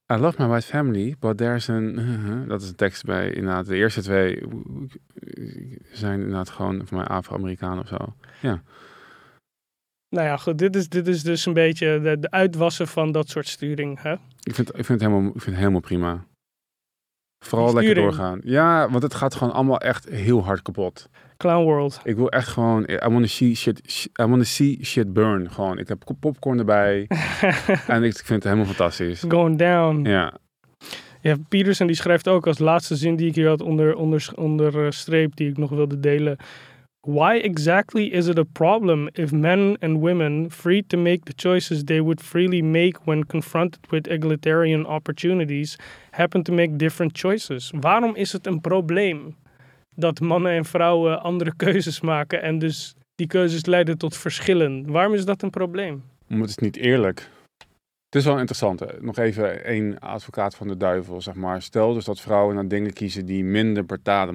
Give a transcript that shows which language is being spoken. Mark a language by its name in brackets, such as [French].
[English] I love my white family, but there's an... [Dutch] Dat is een tekst bij inderdaad. De eerste twee zijn inderdaad gewoon voor mij Afro-Amerikaan of zo. Ja. Nou ja, goed. Dit is dus een beetje de uitwassen van dat soort sturing. Hè? Ik vind het helemaal prima. Vooral lekker doorgaan. Ja, want het gaat gewoon allemaal echt heel hard kapot. [English] Clown world. [Dutch] Ik wil echt gewoon... [English] I wanna see shit burn. [Dutch] Gewoon, ik heb popcorn erbij. En ik vind het helemaal fantastisch. [English] Going down. [Dutch] Ja. Ja, Peterson die schrijft ook als laatste zin die ik hier had onderstreept die ik nog wilde delen. [English] Why exactly is it a problem if men and women free to make the choices they would freely make when confronted with egalitarian opportunities happen to make different choices? [Dutch] Waarom is het een probleem dat mannen en vrouwen andere keuzes maken en dus die keuzes leiden tot verschillen? Waarom is dat een probleem? Omdat het niet eerlijk. Het is wel interessant. Nog even één advocaat van de duivel, zeg maar. Stel dus dat vrouwen naar dingen kiezen die minder betalen.